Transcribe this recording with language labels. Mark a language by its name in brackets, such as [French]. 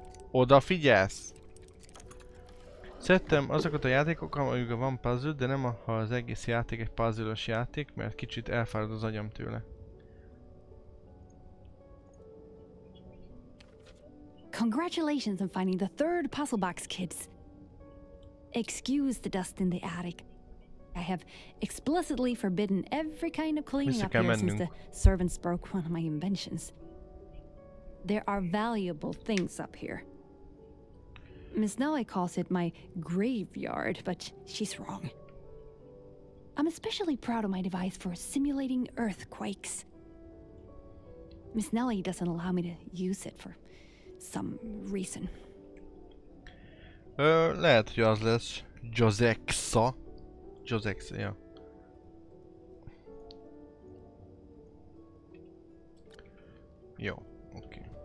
[Hungarian] Odafigyelsz! Szerettem azokat a játékokat, amikor van puzzle, de nem ha az egész játék egy puzzle-os játék, mert kicsit elfárad az agyam tőle. [English] Congratulations on finding the third puzzle box, kids! Excuse the dust in the attic. I have explicitly forbidden every kind of cleaning up here since the servants broke one of my inventions. There are valuable things up here. Miss Noe calls it my graveyard, but she's wrong. I'm especially proud of my device for simulating earthquakes. Miss Noe doesn't allow me to use it for some reason. [Hungarian] Lehet, hogy az lesz Josexa. Josexa, ja. Jó, oké.